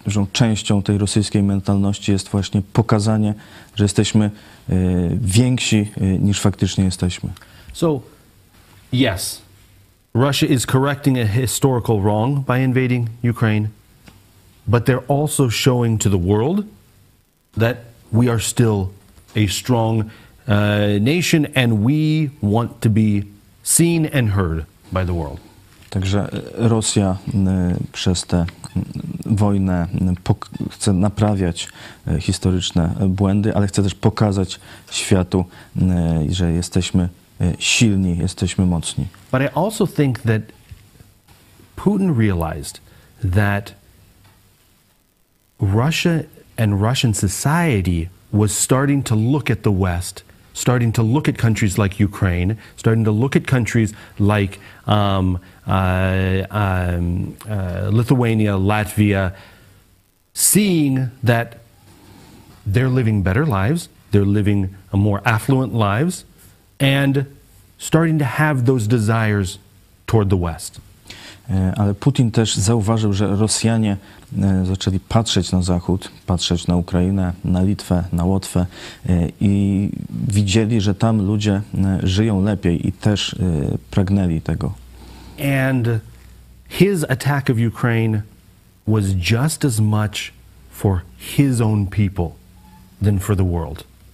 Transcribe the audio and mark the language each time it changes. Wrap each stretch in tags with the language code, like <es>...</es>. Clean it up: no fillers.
<pl>Że częścią tej rosyjskiej mentalności jest właśnie pokazanie, że jesteśmy więksi niż faktycznie jesteśmy.</pl> <en>So, yes. Russia is correcting a historical wrong by invading Ukraine, but they're also showing to the world that we are still a strong nation and we want to be seen and heard by the world.</en> <pl>Także Rosja przez tę wojnę chce naprawiać historyczne błędy, ale chce też pokazać światu, że jesteśmy silni, jesteśmy mocni.</pl> <en>But I also think that Putin realized that Russia and Russian society was starting to look at the West, starting to look at countries like Ukraine, starting to look at countries like Lithuania, Latvia, seeing that they're living better lives, they're living a more affluent lives, and starting to have those desires toward the West.</en> <pl>Ale Putin też zauważył, że Rosjanie zaczęli patrzeć na Zachód, patrzeć na Ukrainę, na Litwę, na Łotwę i widzieli, że tam ludzie żyją lepiej i też pragnęli tego.</pl> <en>And his attack of Ukraine was just as much for his own people than for the world.</en>